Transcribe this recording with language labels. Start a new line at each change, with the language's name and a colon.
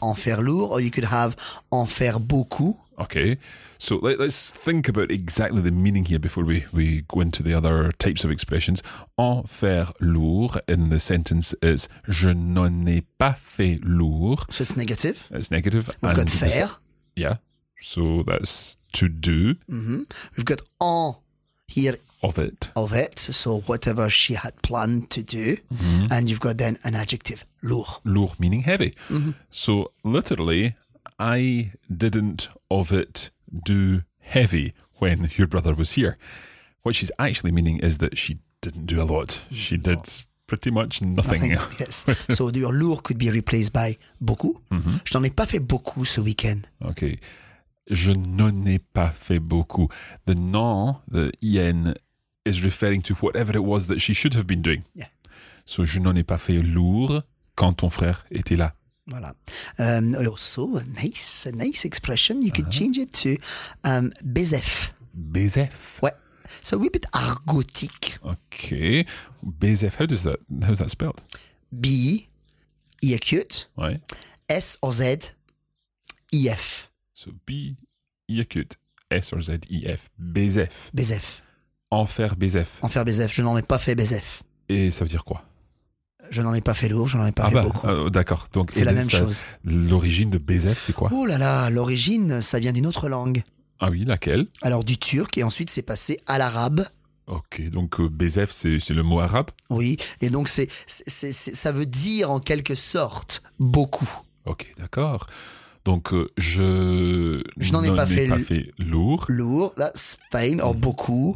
French: En faire lourd,
English: or you could have
French: en faire beaucoup.
English: Okay, so let's think about exactly the meaning here before we go into the other types of expressions. En faire lourd in the sentence is
French: je n'en ai pas fait lourd.
English: So it's negative. It's negative. We've got faire. Yeah, so that's to do. Mm-hmm. We've got en here. Of it, so whatever she had planned to do, mm-hmm, and you've got then an adjective, lourd. Lourd meaning heavy. Mm-hmm. So literally, I didn't of it do heavy when your brother was here. What she's actually meaning is that she didn't do a lot. She did pretty much nothing. Yes, so your lourd could be replaced by beaucoup. Mm-hmm.
French: Je n'en ai pas fait beaucoup ce week-end.
English: Okay.
French: Je n'en ai pas fait beaucoup. The n, the en,
English: is referring to whatever it was that she should have been doing. Yeah.
French: So je n'en ai pas fait lourd quand ton frère était là.
English: Voilà. Also, a nice expression. You could change it to bezef. Bezef. Ouais. So a wee bit argotic. Okay. Bezef, how's that spelled? B, E acute. Ouais. S or Z, E F. So B, E acute. S or Z, E F. Bezef. Bezef.
French: Enfer bezef. Je n'en ai pas fait bezef. Et ça veut dire quoi? Je n'en ai pas fait lourd, je n'en ai pas fait beaucoup. D'accord. Donc, c'est la même chose. L'origine de bezef, c'est quoi? Oh là là, l'origine, ça vient d'une autre langue. Ah oui, laquelle? Alors du turc, et ensuite c'est passé à l'arabe. Ok, donc bezef, c'est le mot arabe? Oui, et donc c'est ça veut dire en quelque sorte beaucoup. Ok, d'accord. Donc je n'en ai pas fait lourd.
English: Lourd, that's fine, or beaucoup.